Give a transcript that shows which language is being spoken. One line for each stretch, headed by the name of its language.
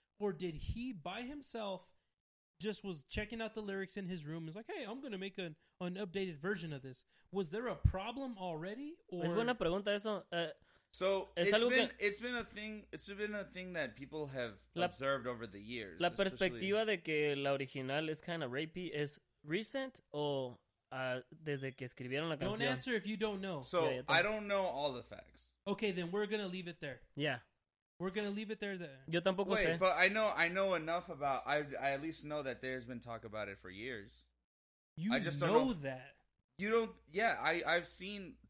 English: Or did he, by himself, just was checking out the lyrics in his room? He's like, hey, I'm going to make an updated version of this. Was there a problem already? Or?
Spanish: Es buena pregunta eso.
English: So it's been a thing that people have observed over the years.
Spanish: La perspectiva de que la original es
English: kind of rapey is recent or
Spanish: desde que escribieron la canción.
English: Don't answer if you don't know. So yeah, I don't know all the facts. Okay, then we're gonna leave it there. Yeah, we're gonna leave it there. Then.
Spanish: Yo tampoco
English: Wait,
Spanish: sé.
English: But I know enough about. I at least know that there's been talk about it for years. You I just know, don't know that. You don't. Yeah, I've seen.